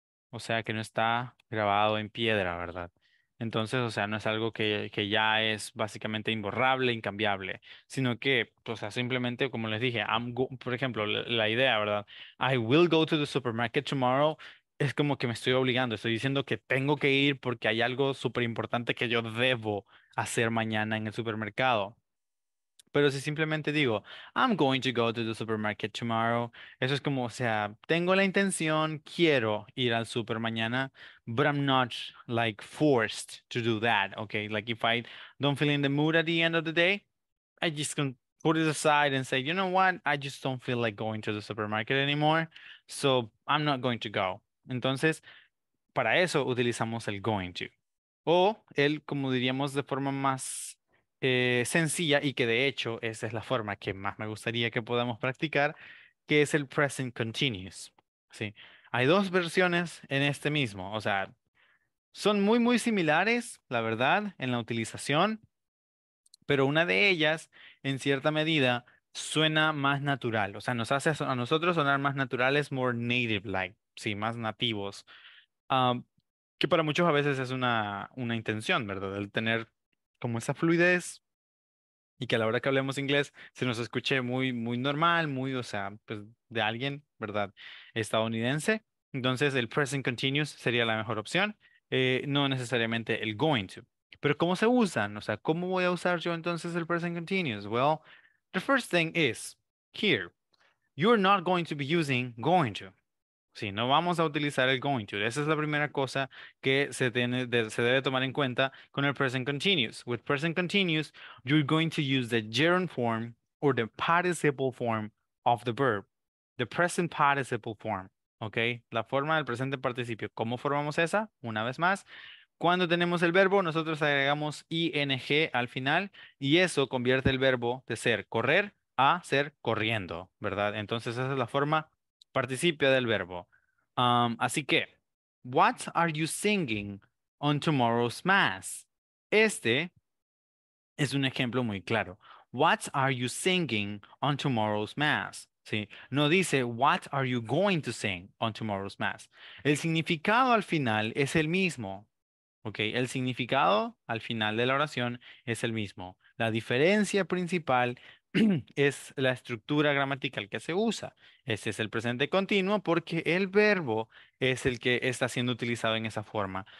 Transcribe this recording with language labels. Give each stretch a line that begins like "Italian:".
Spanish: O sea, que no está grabado en piedra, ¿verdad? Entonces, o sea, no es algo que ya es básicamente imborrable, incambiable, sino que, o sea, simplemente, como les dije, por ejemplo, la idea, ¿verdad?
English: I will go to the supermarket tomorrow.
Spanish: Es como que me estoy obligando. Estoy diciendo que tengo que ir porque hay algo súper importante que yo debo hacer mañana en el supermercado. Pero si simplemente digo,
English: I'm going to go to the supermarket tomorrow.
Spanish: Eso es como, o sea, tengo la intención, quiero ir al super mañana,
English: but I'm not like forced to do that, okay? Like if I don't feel in the mood at the end of the day, I just can put it aside and say, you know what? I just don't feel like going to the supermarket anymore, so I'm not going to go.
Spanish: Entonces, para eso utilizamos el going to. O el, como diríamos de forma más sencilla, y que de hecho esa es la forma que más me gustaría que podamos practicar, que es el present continuous. ¿Sí? Hay dos versiones en este mismo. O sea, son muy, muy similares, la verdad, en la utilización. Pero una de ellas, en cierta medida, suena más natural. O sea, nos hace a nosotros sonar más naturales,
English: more native-like,
Spanish: sí, más nativos. Que para muchos a veces es una intención, ¿verdad? El tener como esa fluidez y que a la hora que hablemos inglés se nos escuche muy, muy normal, muy, o sea, pues de alguien, ¿verdad? Estadounidense. Entonces, el present continuous sería la mejor opción, no necesariamente el going to. Pero ¿cómo se usan? O sea, ¿cómo voy a usar yo entonces el present continuous?
English: Well, the first thing is, here, you're not going to be using going to.
Spanish: Sí, no vamos a utilizar el going to. Esa es la primera cosa que se debe tomar en cuenta con el present continuous.
English: With present continuous, you're going to use the gerund form or the participle form of the verb. The present participle form,
Spanish: ¿ok? La forma del presente participio. ¿Cómo formamos esa? Una vez más. Cuando tenemos el verbo, nosotros agregamos ing al final y eso convierte el verbo de ser correr a ser corriendo, ¿verdad? Entonces esa es la forma participia del verbo. Así que,
English: what are you singing on tomorrow's mass?
Spanish: Este es un ejemplo muy claro.
English: What are you singing on tomorrow's mass?
Spanish: ¿Sí? No dice,
English: what are you going to sing on tomorrow's mass?
Spanish: El significado al final es el mismo. Okay, el significado al final de la oración es el mismo. La diferencia principal es la estructura gramatical que se usa. Este es el presente continuo porque el verbo es el que está siendo utilizado en esa forma.